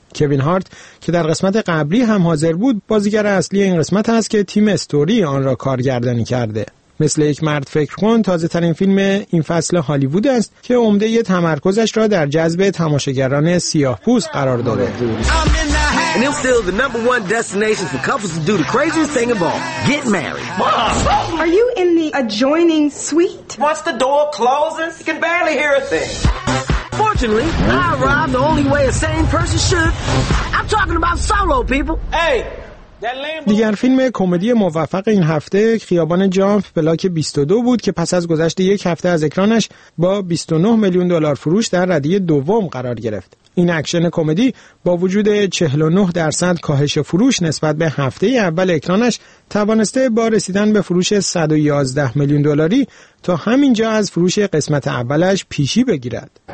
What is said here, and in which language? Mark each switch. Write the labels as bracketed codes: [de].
[fa] کوین هارت که در قسمت قبلی هم حاضر بود بازیگر اصلی این قسمت است که تیم استوری آن را کارگردانی کرده. مثل یک مرد فکر کن تازه ترین فیلم این فصل هالیوود است که عمده تمرکزش را در جذب تماشاگران سیاه پوست قرار داده. [en] And it's still the number one destination for couples to do the craziest thing of all. Get married. Mom! Are you in the adjoining suite? Once the door closes, you can barely hear a thing. Fortunately, I arrived the only way a sane person should. I'm talking about solo, people. Hey! [fa] دیگر فیلم کمدی موفق این هفته خیابان جامپ بلاک 22 بود که پس از گذشت یک هفته از اکرانش با 29 میلیون دلار فروش در ردی دوم قرار گرفت. این اکشن کمدی با وجود 49% کاهش فروش نسبت به هفته اول اکرانش توانسته با رسیدن به فروش 111 میلیون دلاری تا همینجا از فروش قسمت اولش پیشی بگیرد.